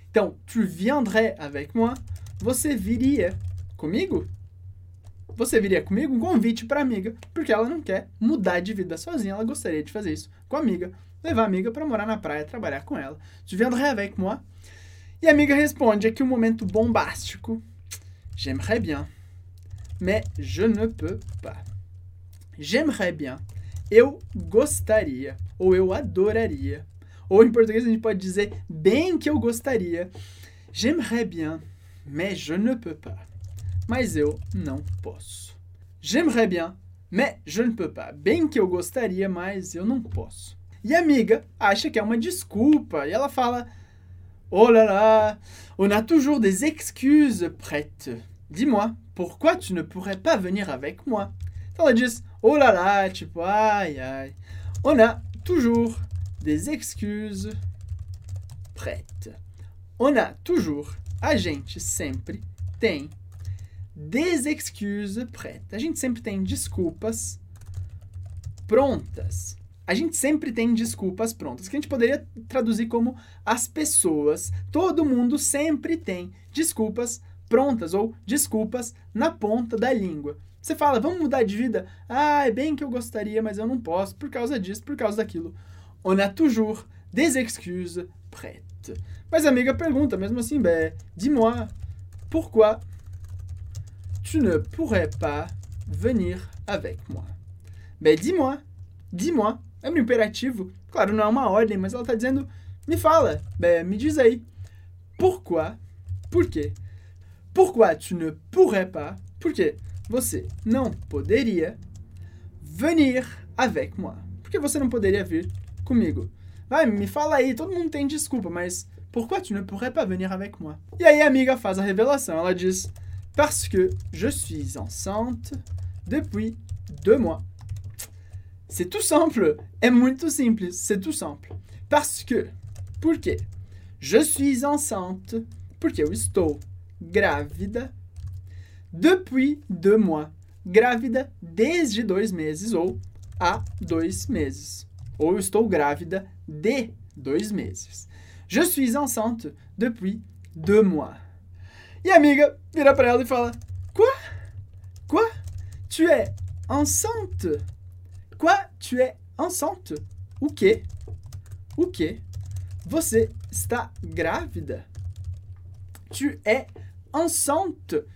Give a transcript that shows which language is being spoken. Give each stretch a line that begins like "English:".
French: Então, tu viendrais avec moi?
Portuguese: Você viria comigo? Você viria comigo? Um convite para amiga, porque ela não quer mudar de vida sozinha, ela gostaria de fazer isso com a amiga, levar a amiga para morar na praia, trabalhar com ela.
French: Tu viendrais avec moi?
Portuguese: E a amiga responde aqui um momento bombástico.
French: J'aimerais bien, mais je ne peux pas. J'aimerais bien,
Portuguese: eu gostaria, ou eu adoraria. Ou em português a gente pode dizer bem que eu gostaria.
French: J'aimerais bien, mais je ne peux pas.
Portuguese: Mas eu não posso.
French: J'aimerais bien, mais je ne peux pas.
Portuguese: Bem que eu gostaria, mas eu não posso. E a amiga acha que é uma desculpa. E ela fala,
French: oh là là, on a toujours des excuses prêtes. Dis-moi, pourquoi tu ne pourrais pas venir avec moi?
Portuguese: Então ela diz,
French: oh là là,
Portuguese: tipo, ai, ai.
French: On a toujours des excuses prêtes. On a toujours,
Portuguese: a gente sempre tem
French: des excuses prêtes.
Portuguese: A gente sempre tem desculpas prontas. A gente sempre tem desculpas prontas, que a gente poderia traduzir como as pessoas. Todo mundo sempre tem desculpas prontas ou desculpas na ponta da língua. Você fala, vamos mudar de vida? Ah, é bem que eu gostaria, mas eu não posso por causa disso, por causa daquilo.
French: On a toujours des excuses prêtes.
Portuguese: Mas a amiga pergunta, mesmo assim,
French: dis-moi, pourquoi tu ne pourrais pas venir avec moi? Dis-moi.
Portuguese: É um imperativo. Claro, não é uma ordem, mas ela está dizendo, me fala, me diz aí. Por quê?
French: Pourquoi tu ne pourrais pas?
Portuguese: Por quê? Você não poderia
French: venir avec moi.
Portuguese: Por que você não poderia vir comigo? Vai, me fala aí, todo mundo tem desculpa, mas
French: pourquoi tu ne pourrais pas venir avec moi?
Portuguese: E aí a amiga faz a revelação, ela diz:
French: parce que je suis enceinte depuis 2 mois. C'est tout simple,
Portuguese: é muito simples,
French: c'est tout simple. Parce que,
Portuguese: por quê?
French: Je suis enceinte,
Portuguese: porque eu estou grávida.
French: Depuis 2 mois,
Portuguese: grávida desde 2 meses ou há 2 meses. Ou estou grávida de 2 meses.
French: Je suis enceinte depuis 2 mois.
Portuguese: E a amiga vira para ela e fala,
French: quoi? Quoi? Tu es enceinte? Quoi? Tu es enceinte?
Portuguese: O quê? O quê? Você está grávida?
French: Tu es enceinte?